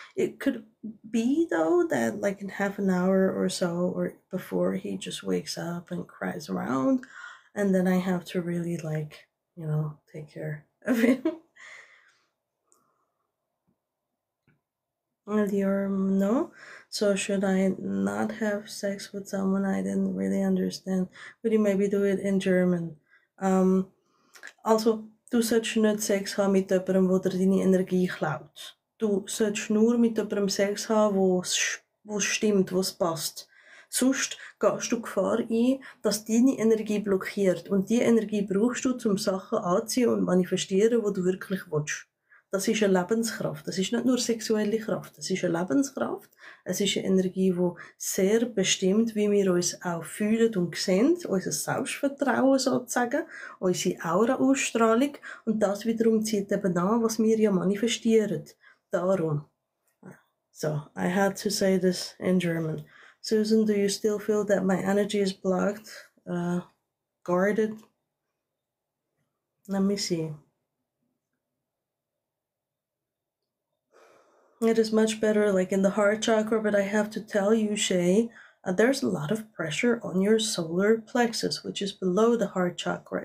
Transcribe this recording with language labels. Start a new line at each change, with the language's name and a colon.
English: It could be though that like in half an hour or so or before he just wakes up and cries around, and then I have to really like, you know, take care of him. And you're no, so should I not have sex with someone I didn't really understand? Would you maybe do it in German?
German: Also, du sollst nicht Sex haben mit jemandem, wo der deine Energie klaut. Du sollst nur mit jemandem Sex haben, wo stimmt, wo es passt. Sonst gehst du Gefahr ein, dass deine Energie blockiert. Und die Energie brauchst du, um Sachen anziehen und manifestieren, wo du wirklich willst. Das ist eine Lebenskraft. Das ist nicht nur sexuelle Kraft. Das ist eine Lebenskraft. Es ist eine Energie, die sehr bestimmt, wie wir uns auch fühlen und sehen. Unser Selbstvertrauen sozusagen. Unsere Aura-Ausstrahlung. Und das wiederum zieht eben an, was wir ja manifestieren. Darum.
English: So, I had to say this in German. Susan, do you still feel that my energy is blocked? Guarded? Let me see. It is much better, like in the heart chakra, but I have to tell you, Shay, there's a lot of pressure on your solar plexus, which is below the heart chakra.